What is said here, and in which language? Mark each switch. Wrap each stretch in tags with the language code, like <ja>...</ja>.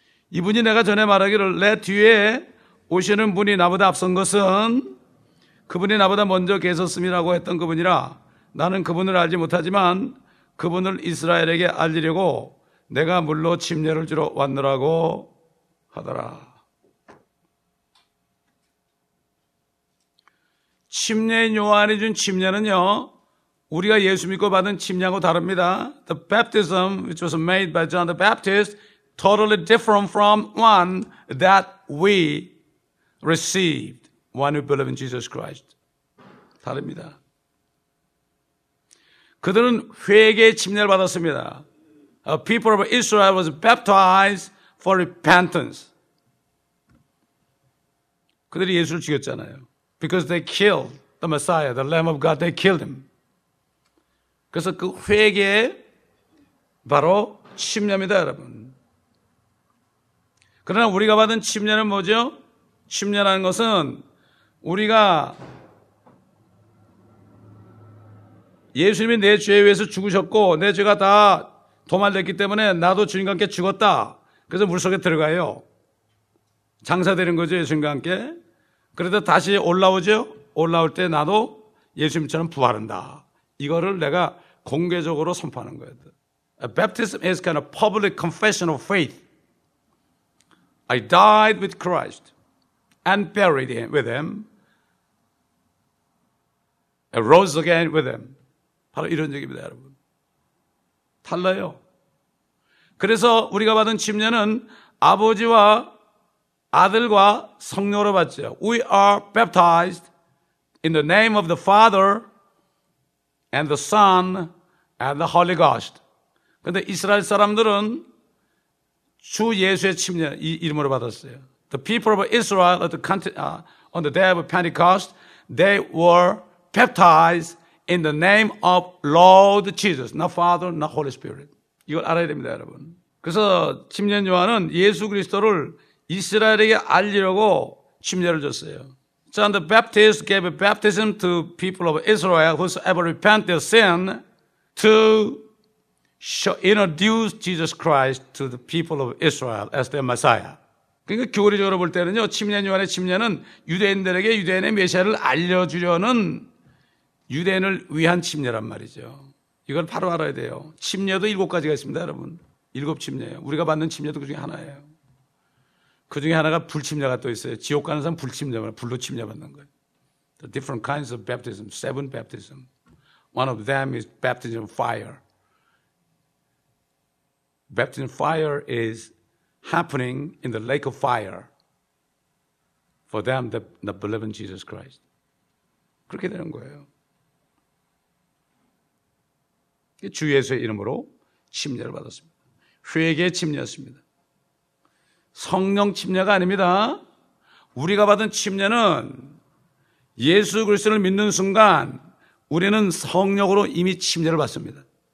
<ko>이분이 내가 전에 말하기를 내 뒤에 오시는 분이 나보다 앞선 것은 그분이 나보다 먼저 계셨음이라고 했던 그분이라 나는 그분을 알지 못하지만 그분을 이스라엘에게 알리려고 내가 물로 침례를 주러 왔느라고 하더라. 침례 요한이 준 침례는요, 우리가 예수 믿고 받은 침례하고 다릅니다.</ko> <en>The baptism which was made by John the Baptist totally different from one that we received when we believe in Jesus Christ.</en> <ko>다릅니다. 그들은 회개의 침례를 받았습니다.</ko> <en>A people of Israel was baptized for repentance.</en> <ko>그들이 예수를 죽였잖아요.</ko> <en>Because they killed the Messiah, the Lamb of God, they killed him.</en> <ko>그래서 그 회개의 바로 침례입니다, 여러분. 그러나 우리가 받은 침례는 뭐죠? 침례라는 것은 우리가 예수님이 내 죄에 의해서 죽으셨고 내 죄가 다 도말됐기 때문에 나도 주님과 함께 죽었다. 그래서 물속에 들어가요. 장사되는 거죠, 예수님과 함께. 그래도 다시 올라오죠? 올라올 때 나도 예수님처럼 부활한다. 이거를 내가 공개적으로 선포하는 거예요.</ko> <en>Baptism is kind of public confession of faith. I died with Christ and buried him with him. I rose again with him.</en> <ko>바로 이런 얘기입니다, 여러분. 달라요. 그래서 우리가 받은 침례는 아버지와 아들과 성령으로 받죠.</ko> <en>We are baptized in the name of the Father and the Son and the Holy Ghost.</en> <ko>근데 이스라엘 사람들은 주 예수의 침례 이 이름으로 받았어요.</ko> <en>The people of Israel at the country, on the day of Pentecost, they were baptized in the name of Lord Jesus, not Father, not Holy Spirit.</en> <ko>이걸 알아야 됩니다, 여러분. 그래서 침례 요한은 예수 그리스도를 이스라엘에게 알리려고 침례를 줬어요.</ko> <en>So the Baptist gave a baptism to people of Israel whosoever repent their sin to introduce Jesus Christ to the people of Israel as their Messiah.</en> <ko>그러니까 교리적으로 볼 때는요, 침례 요한의 침례는 유대인들에게 유대인의 메시아를 알려주려는 유대인을 위한 침례란 말이죠. 이걸 바로 알아야 돼요. 침례도 일곱 가지가 있습니다, 여러분. 일곱 침례예요. 우리가 받는 침례도 그 중에 하나예요. 그 중에 하나가 불침례가 또 있어요. 지옥 가는 사람 불침례, 불로 침례받는 거예요.</ko> <en>The different kinds of baptism, seven baptism. One of them is baptism of fire. Baptism of fire is happening in the lake of fire for them that believe in Jesus Christ.</en> <ko>그렇게 되는 거예요. 주 예수의 이름으로 침례를 받았습니다. 회개의 침례였습니다. 성령 침례가 아닙니다. 우리가 받은 침례는 예수 그리스도를 믿는 순간 우리는 성령으로 이미 침례를 받습니다.</ko>